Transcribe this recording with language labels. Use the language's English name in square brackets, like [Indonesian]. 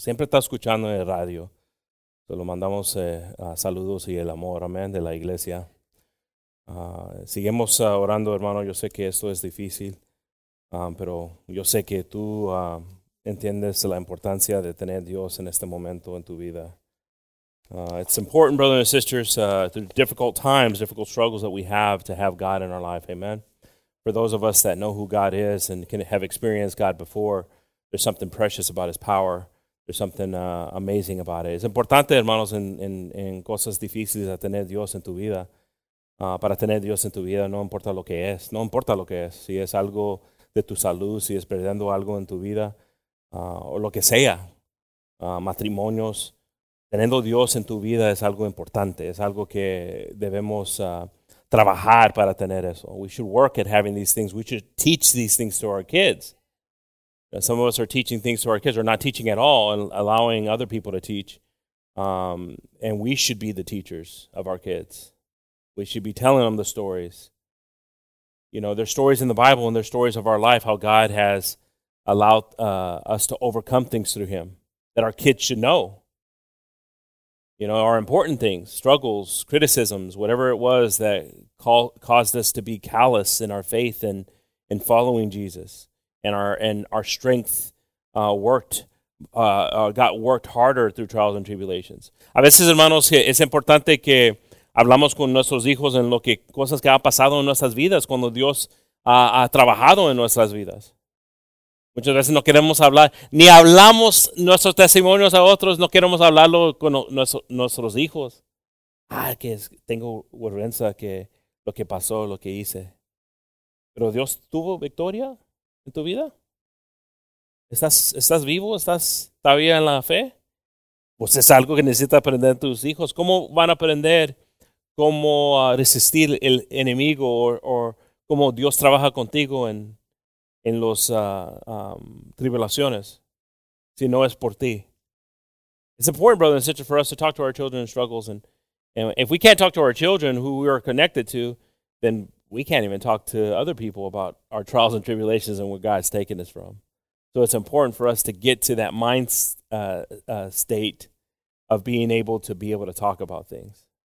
[Spanish] Siempre está escuchando en el radio. Se lo mandamos a saludos y el amor, amen, de la iglesia. Seguimos orando, hermano. Yo sé que esto es difícil, pero yo sé que tú entiendes la importancia de tener Dios en este momento en tu vida. [English] It's important, brothers and sisters, through difficult times, difficult struggles that we have, to have God in our life. Amen. For those of us that know who God is and can have experienced God before, there's something precious about his power. There's something amazing about it. [Spanish] Es importante, hermanos, en cosas difíciles, a tener Dios en tu vida. Para tener Dios en tu vida, no importa lo que es. No importa lo que es. Si es algo de tu salud, si es perdiendo algo en tu vida, o lo que sea, matrimonios. Teniendo Dios en tu vida es algo importante. Es algo que debemos trabajar para tener eso. [English] We should work at having these things. We should teach these things to our kids. Some of us are teaching things to our kids. We're not teaching at all and allowing other people to teach. And we should be the teachers of our kids. We should be telling them the stories. You know, there's stories in the Bible and there's stories of our life, how God has allowed us to overcome things through him that our kids should know. You know, our important things, struggles, criticisms, whatever it was that caused us to be callous in our faith and in following Jesus, and our strength got worked harder through trials and tribulations. [Spanish] A veces, hermanos, es importante que hablamos con nuestros hijos en lo que cosas que ha pasado en nuestras vidas cuando Dios ha trabajado en nuestras vidas. Muchas veces no queremos hablar, ni hablamos nuestros testimonios a otros, no queremos hablarlo con nuestros hijos. Ah, que tengo vergüenza que lo que pasó, lo que hice. ¿Pero Dios tuvo victoria en tu vida? ¿Estás vivo? ¿Estás todavía en la fe? Pues es algo que necesitas aprender de tus hijos. ¿Cómo van a aprender cómo resistir el enemigo o cómo Dios trabaja contigo en los tribulaciones, si no es por ti? [English] It's important, brother and sister, for us to talk to our children in struggles. And if we can't talk to our children who we are connected to, then we can't even talk to other people about our trials and tribulations and where God's taking us from. So it's important for us to get to that mind state of being able to be able to talk about things.